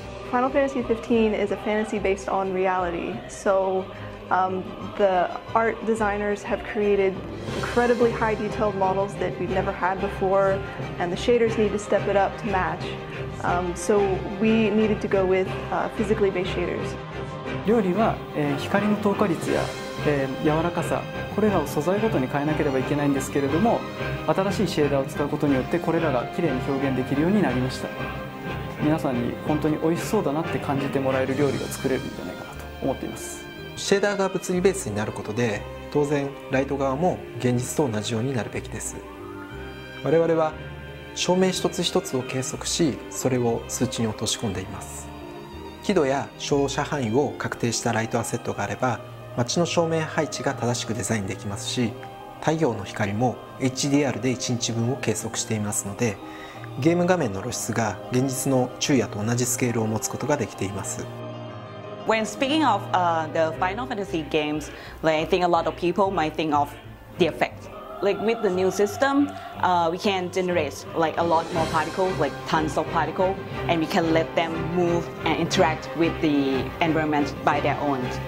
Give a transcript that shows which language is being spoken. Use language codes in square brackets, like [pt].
[en] Final Fantasy XV is a fantasy based on reality, so the art designers have created incredibly high detailed models that we've never had before, and the shaders need to step it up to match. So we needed to go with physically based shaders. [ja] 料理は、光の透過率や、柔らかさ、これらを素材ごとに変えなければいけないんですけれども、新しいシェーダーを使うことによってこれらがきれいに表現できるようになりました。皆さんに本当に美味しそうだなって感じてもらえる料理が作れるんじゃないかなと思っています。シェーダーが物理ベースになることで、当然ライト側も現実と同じようになるべきです。我々は照明一つ一つを計測し、それを数値に落とし込んでいます。輝度や照射範囲を確定したライトアセットがあれば、街の照明配置が正しくデザインできますし、太陽の光も HDR で1日分を計測していますので、ゲーム画面の露出が現実の昼夜と同じスケールを持つことができています。 [en] When speaking of the Final Fantasy games, like, I think a lot of people might think of the effect. Like with the new system, we can generate like a lot more particles, like tons of particles, and we can let them move and interact with the environment by their own.